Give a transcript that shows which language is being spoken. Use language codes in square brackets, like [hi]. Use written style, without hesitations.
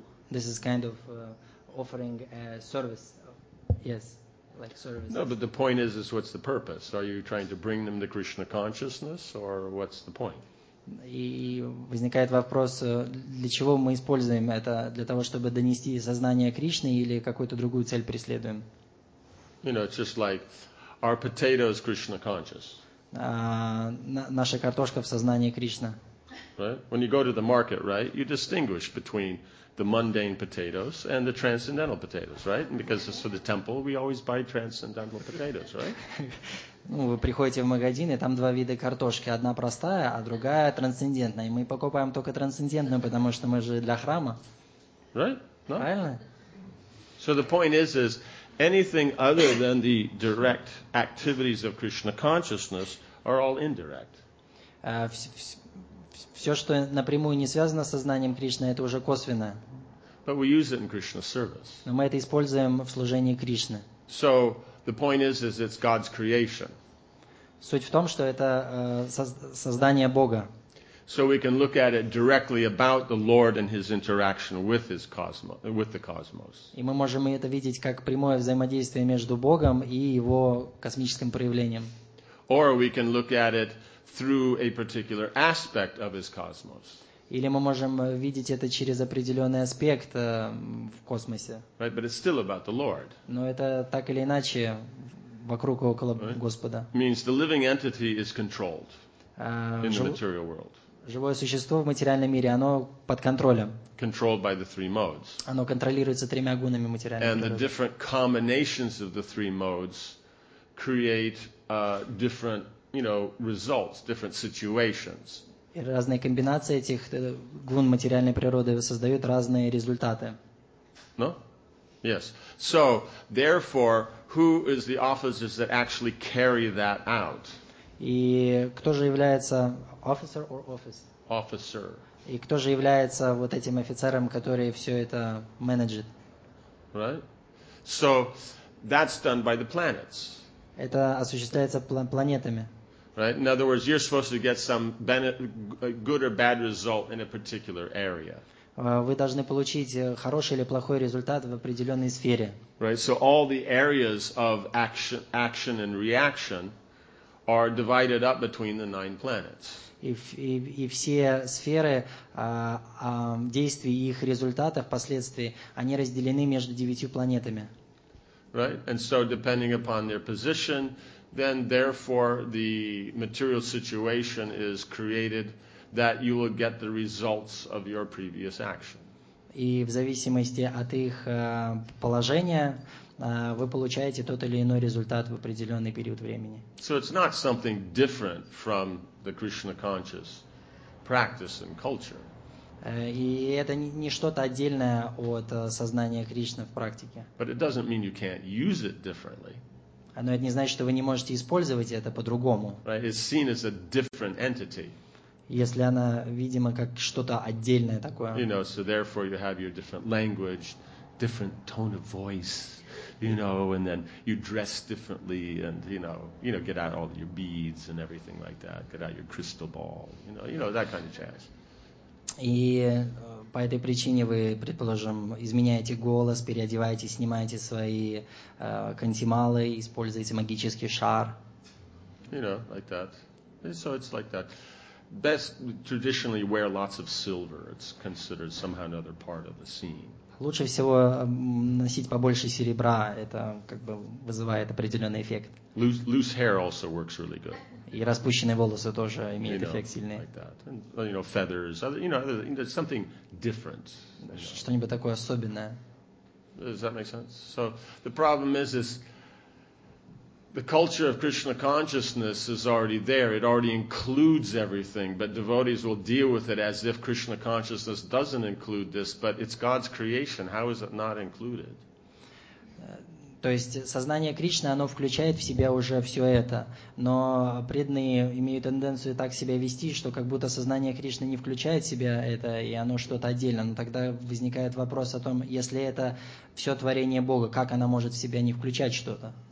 [en] This is kind of offering a service. Yes, like service. No, but the point is what's the purpose? Are you trying to bring them to Krishna consciousness, or what's the point? [ru] И возникает вопрос, для чего мы используем это? Для того, чтобы донести сознание Кришны или какую-то другую цель преследуем? [en] You know, it's just like, are potatoes Krishna conscious? [ru] Наша картошка в сознании Кришна. [en] Right? When you go to the market, right, you distinguish between the mundane potatoes and the transcendental potatoes, right? And because it's for the temple, we always buy transcendental potatoes, right? [ru] Ну, вы приходите в магазин, и там два вида картошки. Одна простая, а другая трансцендентная. И мы покупаем только трансцендентную, потому что мы же для храма. [en] Right? [ru] No? Правильно? [en] So the point is anything other than the direct activities of Krishna consciousness are all indirect. [ru] Все, что напрямую не связано с сознанием Кришны, это уже косвенно. [en] But we use it in Krishna's service. [ru] Но мы это используем в служении Кришны. [en] So the point is it's God's creation. [ru] Суть в том, что это создание Бога. [en] So we can look at it directly about the Lord and his interaction with his cosmos, with the cosmos. [ru] И мы можем это видеть как прямое взаимодействие между Богом и его космическим проявлением. [en] Or we can look at it through a particular aspect of his cosmos. [ru] Или мы можем видеть это через определенный аспект в космосе. [en] Right, but it's still about the Lord. [ru] Но это так или иначе вокруг и около Господа. [en] It means the living entity is controlled in the material world. [ru] Живое существо в материальном мире, оно под контролем. [en] Controlled by the three modes. [ru] Оно контролируется тремя гунами материальной природы. [en] And the different combinations of the three modes create different, you know, results, different situations. [ru] И разные комбинации этих гун материальной природы создают разные результаты. [en] No? Yes. So, therefore, who is the officers that actually carry that out? [ru] И кто же является [en] officer or office? Officer. [ru] И кто же является вот этим офицером, который все это менеджит? [en] Right. So that's done by the planets. [ru] Это осуществляется планетами. [en] Right. In other words, you're supposed to get some good or bad result in a particular area. [ru] Вы должны получить хороший или плохой результат в определенной сфере. [en] Right. So all the areas of action and reaction are divided up between the nine planets. [ru] И все сферы действий и их результатов, последствий, они разделены между девятью планетами. [en] Right? And so depending upon their position, then therefore the material situation is created that you will get the results of your previous action. [ru] И в зависимости от их положения вы получаете тот или иной результат в определенный период времени. [en] So it's not something different from the Krishna conscious practice and culture. [ru] И это не что-то отдельное от сознания Кришны в практике. [en] But it doesn't mean you can't use it differently. [ru] Но это не значит, что вы не можете использовать это по-другому. [en] Right? It's seen as a different entity. [ru] Если она видима как что-то отдельное такое. [en] You know, so therefore you have your different language, different tone of voice, you know, and then you dress differently and, you know, get out all your beads and everything like that, get out your crystal ball, you know, that kind of jazz. [ru] И по этой причине вы, предположим, изменяете голос, переодеваетесь, снимаете свои кантималы, используете магический шар. [en] You know, like that. So it's like that. Best traditionally wear lots of silver. It's considered somehow another part of the scene. [ru] Лучше всего носить побольше серебра. Это как бы вызывает определенный эффект. [en] Loose hair also works really good. [ru] И распущенные волосы тоже имеют эффект сильный. [en] Like that. And, you know, feathers. You know, something different. [ru] Что-нибудь такое особенное. [en] Does that make sense? So the problem is the culture of Krishna consciousness is already there. It already includes everything. But devotees will deal with it as if Krishna consciousness doesn't include this, but it's God's creation. How is it not included? [ru] То есть сознание Кришны, оно включает в себя уже все это. Но преданные имеют тенденцию так себя вести, что как будто сознание Кришны не включает в себя это, и оно что-то отдельное. Но тогда возникает вопрос о том, если это все творение Бога, как оно может в себя не включать что-то?